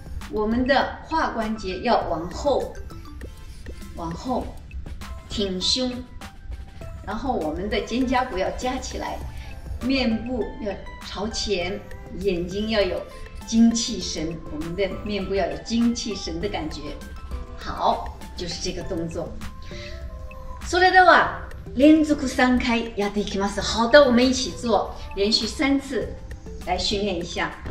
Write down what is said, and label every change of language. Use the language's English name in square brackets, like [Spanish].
[Chinese] 我们的胯关节要往后，往后挺胸，然后我们的肩胛骨要夹起来，面部要朝前，眼睛要有精气神，我们的面部要有精气神的感觉。好，就是这个动作。 [Japanese] それでは連続3回やっていきます。 [Chinese] 好的，我们一起做，连续三次来训练一下。